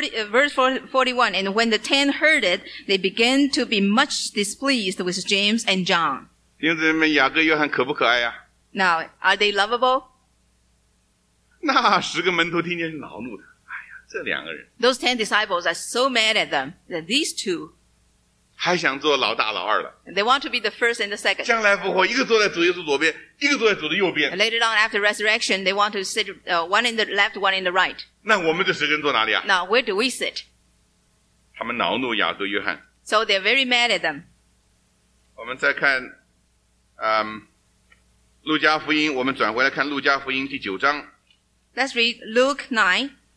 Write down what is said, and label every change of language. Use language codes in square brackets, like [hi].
[en] verse 41 and when the ten heard it they began to be much displeased with James and John [zh] 弟兄姊妹们雅各约翰可不可爱啊 [en] now are they lovable [zh] 那十个门徒听见恼怒的哎呀这两个人 [en] those ten disciples are so mad at them that these two [zh] 还想做老大老二了。 [en] They want to be the first and the second. [zh] 将来复活，一个坐在主耶稣左边，一个坐在主的右边。 [en] Later on, after resurrection, they want to sit one in the left, one in the right. [zh] 那我们这十人坐哪里啊 [en] ？Now where do we sit? [zh] 他们恼怒雅各、约翰。 [en] So they're very mad at them. [zh] 我们再看，路加福音，我们转回来看路加福音第九章。 [en] Let's read Luke 9.